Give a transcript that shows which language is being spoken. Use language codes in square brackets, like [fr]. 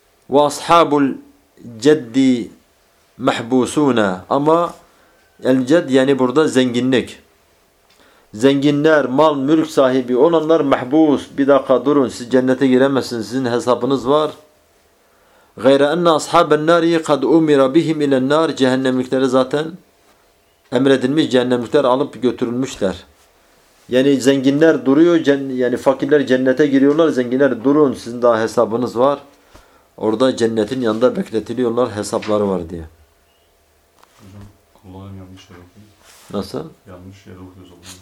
[ar] Ve ashabul ceddi mahbusuna, [tr] ama el cedd yani burada zenginlik. Zenginler, mal, mülk sahibi olanlar mahbus. Bir dakika durun, siz cennete giremezsiniz, sizin hesabınız var. [ar] غَيْرَ أَنَّ أَصْحَابَ النَّارِي قَدْ اُمِرَ بِهِمْ اِلَى النَّارِ [tr] cehennemlikleri zaten emredilmiş, cehennemlikler alıp götürülmüşler. Yani zenginler duruyor, yani fakirler cennete giriyorlar, zenginler durun, sizin daha hesabınız var. Orada cennetin yanında bekletiliyorlar, hesapları var diye. Kulağım yanlış yer okuyor. Nasıl? Yanlış yer okuyoruz.